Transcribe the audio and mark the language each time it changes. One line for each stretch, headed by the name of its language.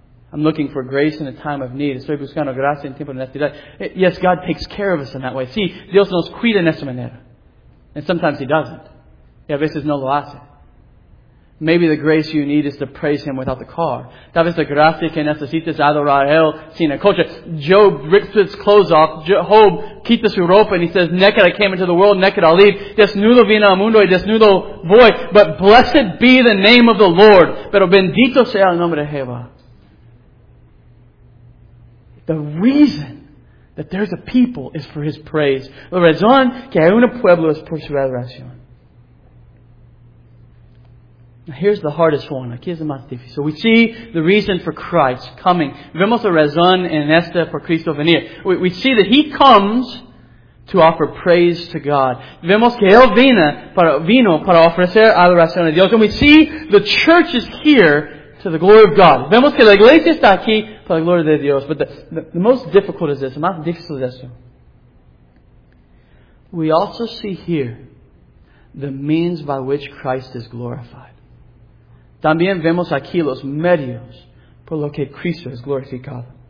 English: I'm looking for grace in a time of need.
Spanish: Estoy buscando gracia en tiempo de necesidad.
English: Yes, God takes care of us in that way.
Spanish: Sí, Dios nos cuida en esa manera.
English: And sometimes He doesn't.
Spanish: Y a veces no lo hace.
English: Maybe the grace you need is to praise Him without the car.
Spanish: Tal vez la gracia que necesitas adorar a Él sin el coche.
English: Job rips his clothes off.
Spanish: Job quita su ropa
English: and he says, naked I came into the world, naked I'll leave.
Spanish: Desnudo vine al mundo y desnudo voy.
English: But blessed be the name of the Lord.
Spanish: Pero bendito sea el nombre de Jehová.
English: The reason that there's a people is for His praise.
Spanish: La razón que hay un pueblo es por su adoración.
English: Here's the hardest one.
Spanish: Aquí es más difícil.
English: So we see the reason for Christ coming.
Spanish: Vemos la razón en esta por Cristo venir.
English: We see that He comes to offer praise to God.
Spanish: Vemos que Él vino para ofrecer adoración a Dios.
English: And we see the church is here to the glory of God.
Spanish: Vemos que la iglesia está aquí para la gloria de Dios.
English: But the most difficult is this.
Spanish: Más difícil es esto.
English: We also see here the means by which Christ is glorified.
Spanish: También vemos aquí los medios por lo que Cristo es glorificado.